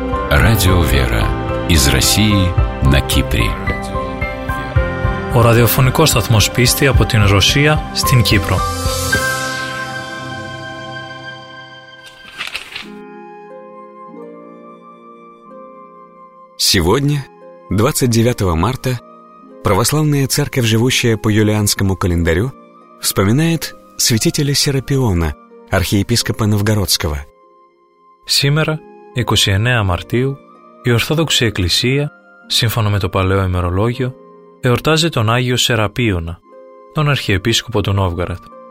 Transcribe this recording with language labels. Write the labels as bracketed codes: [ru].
[ru] Радио «Вера» из России на Кипре. [el] Ο ραδιοφωνικός σταθμός πίστη από την Ρωσία στην Κύπρο. [ru] Сегодня, 29 марта, православная церковь, живущая по юлианскому календарю, вспоминает святителя Серапиона, архиепископа Новгородского. Сегодня, 29 мартию, [el] η Ορθόδοξη Εκκλησία, σύμφωνα με το παλαιό ημερολόγιο, εορτάζει τον Άγιο Σεραπίωνα, τον αρχιεπίσκοπο του Νόβγαραντ.